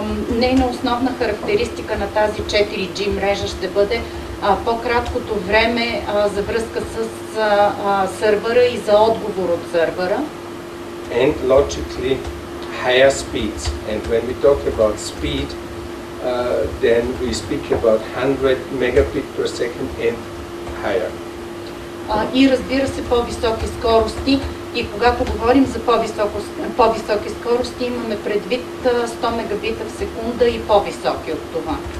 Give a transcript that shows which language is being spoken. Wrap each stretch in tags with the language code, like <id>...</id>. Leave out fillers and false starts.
<bg>Нейна основна характеристика на тази 4G мрежа ще бъде по-краткото време за връзка с сървъра и за отговор от сървъра.</bg> <en>And logically higher speeds. And when we talk about speed, then we speak about 100 megabit per second and higher.</en> <bg>И разбира се, по-високи скорости. И когато говорим за по-високи скорости, имаме предвид 100 мегабита в секунда и по-високи от това.</bg>